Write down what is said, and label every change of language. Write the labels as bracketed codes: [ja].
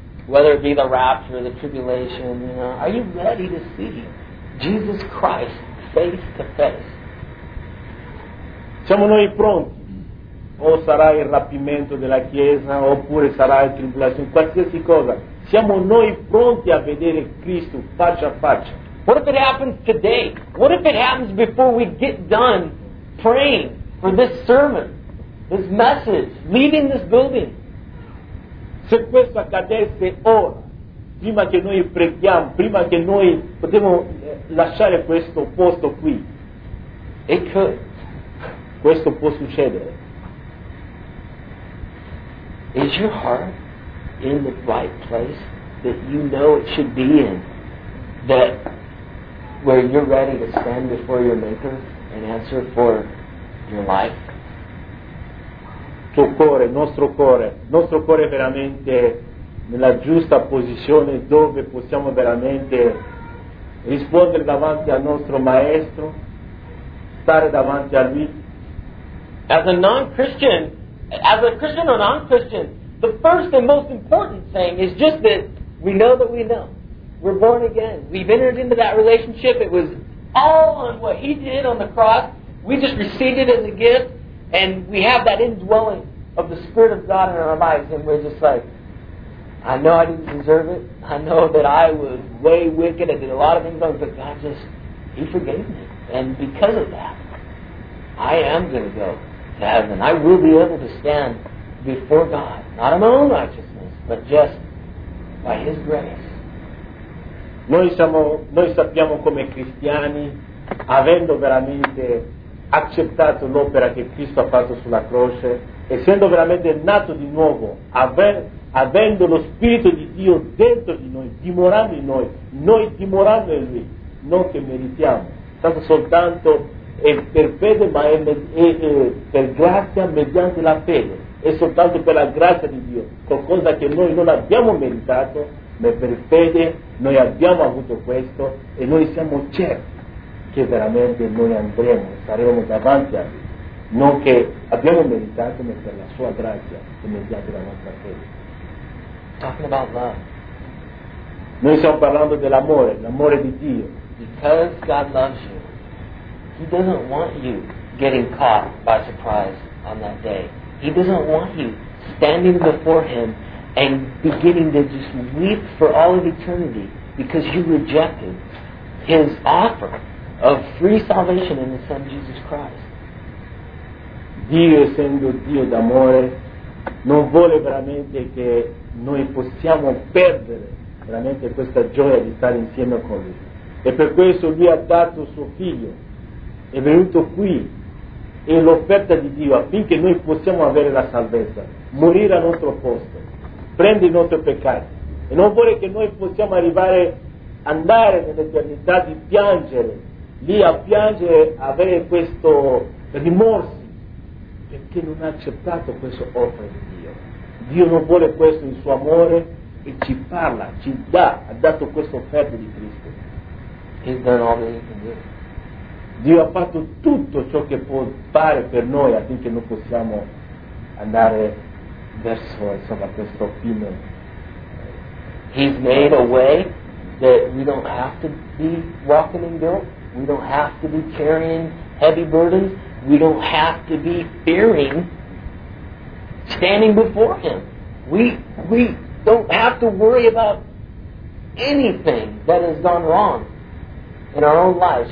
[en] Whether it be the rapture, the tribulation, you know, are you ready to see Jesus Christ face to face? [it] Siamo noi pronti? O sarà il rapimento della Chiesa, oppure sarà la tribolazione, qualsiasi cosa. Siamo noi pronti a vedere Cristo faccia a faccia. [en] What if it happens today? What if it happens before we get done praying for this sermon, this message, leaving this building? [it] Se questo accadesse ora, prima che noi preghiamo, prima che noi potremo lasciare questo posto qui, [en] it could. [it] Questo può succedere. [en] Is your heart in the right place that you know it should be in, that where you're ready to stand before your Maker and answer for your life? [it] Tuo cuore, nostro cuore veramente nella giusta posizione dove possiamo veramente rispondere davanti al nostro Maestro, stare davanti a Lui. [en] As a non-Christian, as a Christian or non-Christian, the first and most important thing is just that we know that we know. We're born again. We've entered into that relationship. It was all on what He did on the cross. We just received it as a gift, and we have that indwelling of the Spirit of God in our lives, and we're just like, I know I didn't deserve it. I know that I was way wicked. I did a lot of things wrong, but God just, He forgave me. And because of that, I am going to go to heaven. I will be able to stand before God, not on my own righteousness, but just by His grace. [it] Noi sappiamo come cristiani, avendo veramente accettato l'opera che Cristo ha fatto sulla croce, essendo veramente nato di nuovo, avendo lo Spirito di Dio dentro di noi, dimorando in noi, noi dimorando in Lui, non che meritiamo, tanto soltanto è per fede, ma è per grazia mediante la fede. È soltanto per la grazia di Dio, qualcosa che noi non abbiamo meritato, ma per fede noi abbiamo avuto questo, e noi siamo certi che veramente noi andremo, saremo davanti a Lui. Non che abbiamo meritato, ma per la Sua grazia che mediante la nostra fede. [en] Talking about love. [it] Noi stiamo parlando dell'amore, l'amore di Dio. [en] Because God loves you, He doesn't want you getting caught by surprise on that day. He doesn't want you standing before Him and beginning to just weep for all of eternity because you rejected His offer of free salvation in His Son, Jesus Christ. [it] Dio, essendo Dio d'amore, non vuole veramente che noi possiamo perdere veramente questa gioia di stare insieme con Lui. E per questo Lui ha dato Suo Figlio, è venuto qui, e l'offerta di Dio affinché noi possiamo avere la salvezza, morire al nostro posto, prendere i nostri peccati, e non vuole che noi possiamo arrivare, andare nell'eternità di piangere lì, a piangere, avere questo rimorso perché non ha accettato questa offerta di Dio. Dio non vuole questo in suo amore, e ci parla, ci dà, ha dato questa offerta di Cristo. [en] He's done all that He can do. [it] Dio ha fatto tutto ciò che può fare per noi affinché noi possiamo andare verso, insomma, questo fine [en] He's made a way that we don't have to be walking in guilt. We don't have to be carrying heavy burdens. We don't have to be fearing standing before Him. We don't have to worry about anything that has gone wrong in our own lives.